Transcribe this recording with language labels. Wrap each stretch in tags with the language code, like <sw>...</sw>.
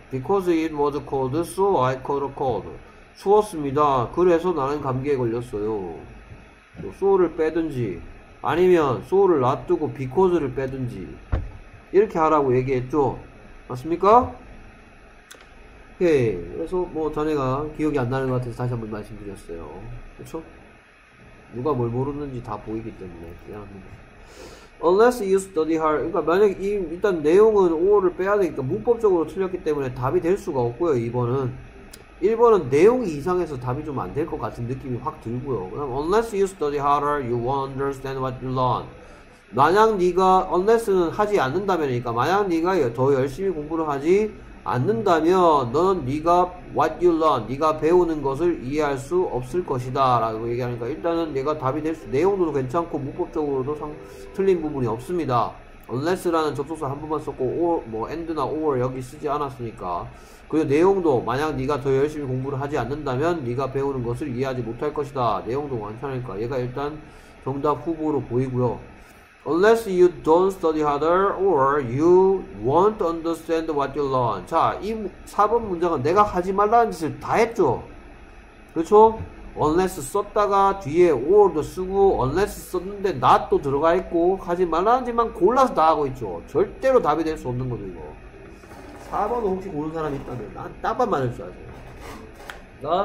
<en>Because it was cold, so I caught a cold.</en> <ko>추웠습니다. 그래서 나는 감기에 걸렸어요. So를 빼든지, 아니면 So를 놔두고 Because를 빼든지 이렇게 하라고 얘기했죠. 맞습니까? 오케이. 그래서 뭐 자네가 기억이 안 나는 것 같아서 다시 한번 말씀드렸어요. 그렇죠? 누가 뭘 모르는지 다 보이기 때문에 그냥 합니다.</ko> <en>Unless you study hard.</en> <ko>그러니까 만약 일단 내용은 오어를 빼야 되니까 문법적으로 틀렸기 때문에 답이 될 수가 없고요. 2번은. 1번은 내용이 이상해서 답이 좀안될것 같은 느낌이 확 들고요. 그럼</ko> <en>unless you study harder, you won't understand what you learn.</en> <ko>만약 네가 unless는 하지 않는다면이니까 만약 네가 더 열심히 공부를 하지 않는다면 너는 네가</ko> <en>what you learn,</en> <ko>네가 배우는 것을 이해할 수 없을 것이다라고 얘기하니까 일단은 얘가 답이 될 수, 내용도 괜찮고 문법적으로도 틀린 부분이 없습니다. unless라는 접속사 한 번만 썼고 or, 뭐 and나 or 여기 쓰지 않았으니까. 그리고 내용도 만약 네가 더 열심히 공부를 하지 않는다면 네가 배우는 것을 이해하지 못할 것이다. 내용도 괜찮으니까 얘가 일단 정답 후보로 보이고요.</ko> <en>Unless you don't study harder or you won't understand what you learn.</en> <ko>자, 이 4번 문장은 내가 하지 말라는 짓을 다 했죠. 그렇죠? Unless 썼다가 뒤에 or도 쓰고 unless 썼는데 not도 들어가 있고 하지 말라는 짓만 골라서 다 하고 있죠. 절대로 답이 될수 없는 거죠, 이거. 4번도 혹시 고른 사람이 있다면 난 답만 맞을 줄 아세요.</ko>